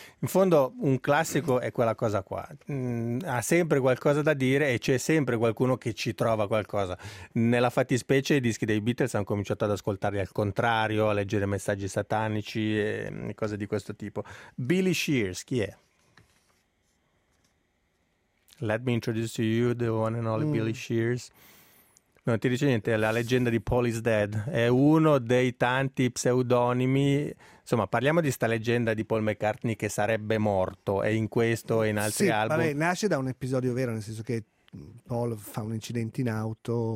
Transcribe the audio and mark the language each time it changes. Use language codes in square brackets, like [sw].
[it] In fondo un classico è quella cosa qua, ha sempre qualcosa da dire e c'è sempre qualcuno che ci trova qualcosa. Nella fattispecie i dischi dei Beatles hanno cominciato ad ascoltarli al contrario, a leggere messaggi satanici e cose di questo tipo. Billy Shears, chi è? [en] Let me introduce to you the one and only Billy Shears. [it] Non ti dice niente, la leggenda di Paul is Dead. È uno dei tanti pseudonimi. Insomma, parliamo di sta leggenda di Paul McCartney che sarebbe morto. E in questo e in altri album. Vabbè, nasce da un episodio vero, nel senso che Paul fa un incidente in auto.